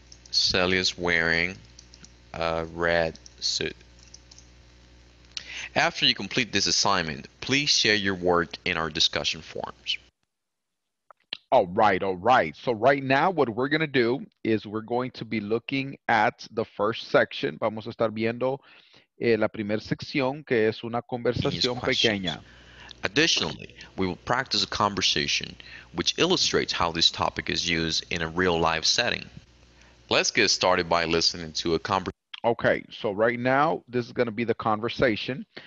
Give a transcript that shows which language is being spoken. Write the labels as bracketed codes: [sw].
[en] Celia's wearing a red suit. After you complete this assignment, please share your work in our discussion forums. All right. So right now, what we're going to do is we're going to be looking at the first section. [es] Vamos a estar viendo la primera sección, que es una conversación pequeña. [en] Additionally, we will practice a conversation which illustrates how this topic is used in a real-life setting. Let's get started by listening to a conversation. Okay, so right now, this is going to be the conversation.